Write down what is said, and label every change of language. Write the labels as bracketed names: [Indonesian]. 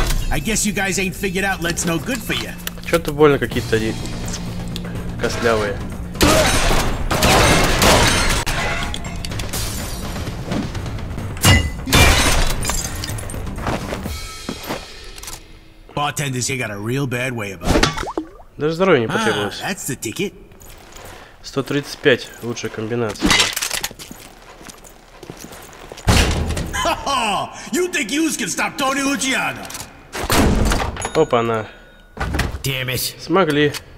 [English] I guess you guys ain't figured out let's no good for you. [Russian] Что-то больно какие-то они костлявые. [English] Bartenders, you got a real bad way about it. [Russian] Даже здоровья не потребовалось. [English] That's the ticket. [Russian] 135 лучшая комбинация. [English] You think you can stop Tony Luciano? [Russian] Опа-на. [English] Damn it. [Russian] Смогли.